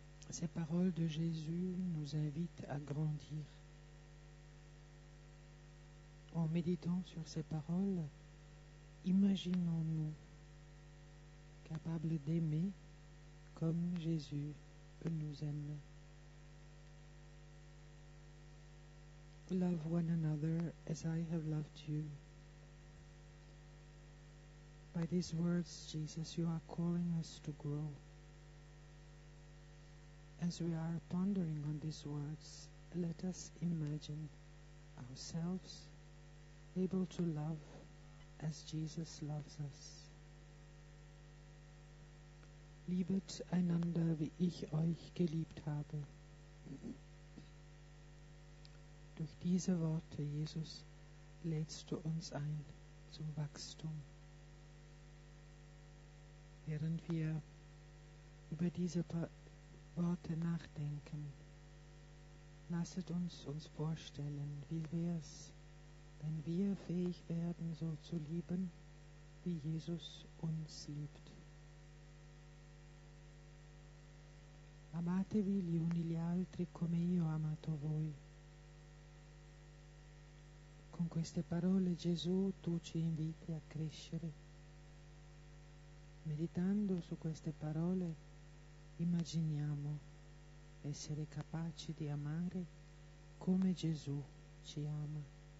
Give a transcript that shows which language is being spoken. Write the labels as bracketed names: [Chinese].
[French] Ces paroles de Jésus nous invitent à grandir. En méditant sur ces paroles, imaginons-nous capables d'aimer comme Jésus nous aime. [English] Love one another as I have loved you. By these words, Jesus, you are calling us to grow. As we are pondering on these words, let us imagine ourselves able to love as Jesus loves us. [German] Liebet einander, wie ich euch geliebt habe. Durch diese Worte, Jesus, lädst du uns ein zum Wachstum. Während wir über diese Worte nachdenken, lasset uns vorstellen, wie wäre es, wenn wir fähig werden, so zu lieben, wie Jesus uns liebt. [Italian] Amatevi gli uni gli altri come io ho amato voi. Con queste parole, Gesù, tu ci inviti a crescere. Meditando su queste parole, immaginiamo essere capaci di amare come Gesù ci ama.